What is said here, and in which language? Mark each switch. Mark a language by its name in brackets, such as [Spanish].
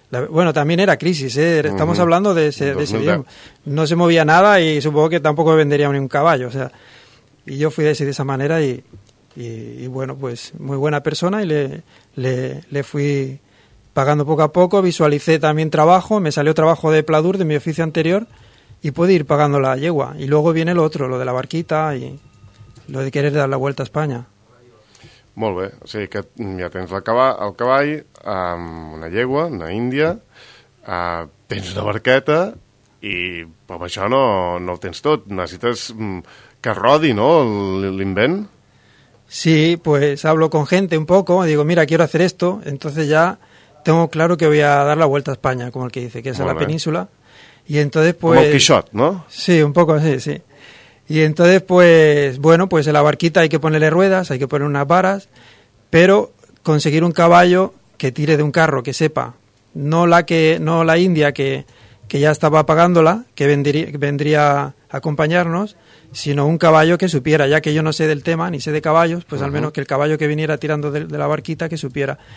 [Spanish] Bueno, también era crisis, ¿eh? Estamos hablando de ese día. No se movía nada y supongo que tampoco vendería ni un caballo, o sea, y yo fui de esa manera y bueno, pues muy buena persona y le fui pagando poco a poco, visualicé también trabajo, me salió trabajo de pladur de mi oficio anterior y pude ir pagando la yegua. Y luego viene lo otro, lo de la barquita y lo de querer dar la vuelta a España. [Catalan] Molt bé, o sigui que ja tens el cavall amb una llegua, una índia, tens una barqueta i amb això no ho tens tot. Necessites que rodi, no, l'invent? [Spanish] Sí, pues hablo con gente un poco, digo, mira, quiero hacer esto, entonces ya tengo claro que voy a dar la vuelta a España, como el que dice, que es a la península. Y entonces, pues... Como el Quixot, ¿no? Sí, un poco así, sí. Y entonces, pues, bueno, pues en la barquita hay que ponerle ruedas, hay que poner unas varas, pero conseguir un caballo que tire de un carro, que sepa, no la india que ya estaba pagándola, que vendría a acompañarnos, sino un caballo que supiera, ya que yo no sé del tema, ni sé de caballos, pues al menos que el caballo que viniera tirando de la barquita, que supiera.